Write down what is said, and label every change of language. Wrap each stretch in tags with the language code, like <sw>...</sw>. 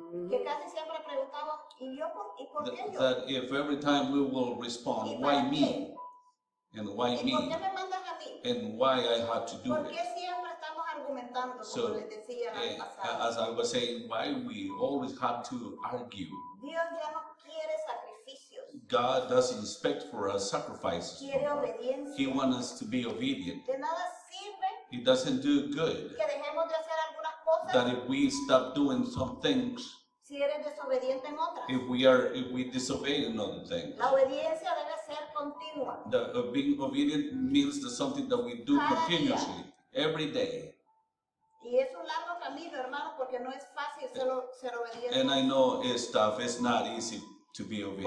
<es>Que casi siempre preguntamos, ¿y yo por qué yo?</es> <en>That if every time we will respond, why me? And why me?</en> <es>¿Y por qué me mandas a mí?</es> <en>And why I have to do it?</en> <es>Porque siempre estamos argumentando, como les decía la pasada.</es> <en>As I was saying, why we always have to argue?</en> <es>Dios ya no quiere sacrificios.</es> <en>God doesn't expect for us sacrifices.</en> <es>Quiere obediencia.</es> <en>He wants us to be obedient.</en> <es>De nada sirve.</es> <en>It doesn't do good</en> <es>que dejemos de hacer algunas cosas,</es> <en>that if we stop doing some things,</en> <es>si eres desobediente en otras,</es> <en>if we disobey in other things.</en> <es>La obediencia debe ser continua.</es> <en>The, being obedient means that something that we do</en> <es>cada</es> <en>continuously,</en> <es>día.</es> <en>Every day.</en> <es>Y es un largo camino, hermano, porque no es fácil ser obediente.</es> <en>And I know it's tough, it's not easy to be obedient.</en>